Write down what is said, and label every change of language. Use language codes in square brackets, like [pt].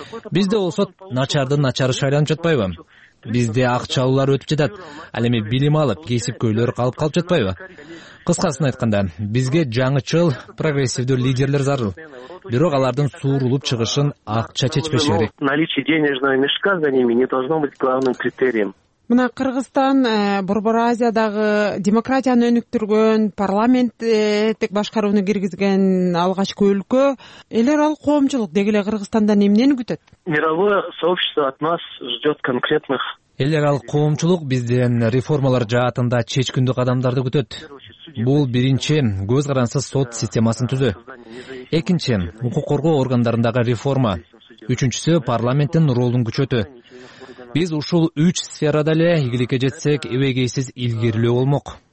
[ky] Бизде болсо начардын начары шайланып жатпайбы? Бизде акчалуулар өтүп жатат, ал эми билим алып, кесип көйлөр калып жатпайбы? Кыскасын айтканда, бизге жаңычыл, прогрессивдүү лидерлер зарыл. Бирок алардын суурулуп чыгышын акча чечпеши керек. [ru] Наличие денежного мешка за ними не должно быть главным критерием. [ky] Мына Кыргызстан Борбор Азиядагы демократияны өнүктүргөн, парламенттик башкарууну киргизген алгачкы өлкө. Эл аралык коомчулук деги эле Кыргызстандан эмнени күтөт? [ru] Мировое сообщество от нас ждет конкретных. [ky] Эл аралык коомчулук бизден реформалар жаатында чечкиндүү кадамдарды күтөт. Бул биринчи көз карансыз сот системасын түзүү. Экинчи укук коргоо органдарындагы реформа. Үчүнчүсү парламенттин ролун күчөтүү. Биз ушул 3 сферада эле ийгиликке жетсек, эбегейсиз илгерилөө болмок.